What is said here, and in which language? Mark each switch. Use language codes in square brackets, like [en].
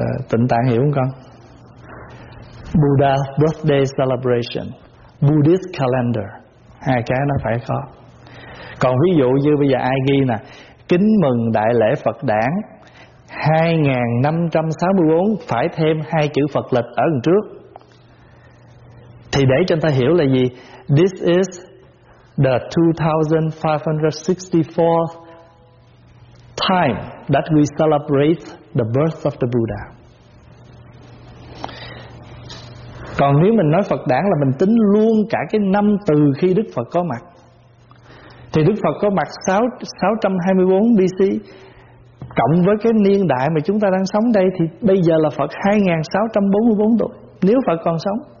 [vi] Tịnh Tạng hiểu không con? [en] Buddha's birthday celebration, Buddhist calendar, [vi] hai cái nó phải có. Còn ví dụ như bây giờ ai ghi nè, kính mừng đại lễ Phật Đản 2564, phải thêm hai chữ Phật lịch ở đằng trước. Thì để cho người ta hiểu là gì? [en] This is the 2564th time that we celebrate the birth of the Buddha. [vi] Còn nếu mình nói Phật Đản là mình tính luôn cả cái năm từ khi Đức Phật có mặt. Thì Đức Phật có mặt 624 BC cộng với cái niên đại mà chúng ta đang sống đây, thì bây giờ là Phật 2644 tuổi nếu Phật còn sống.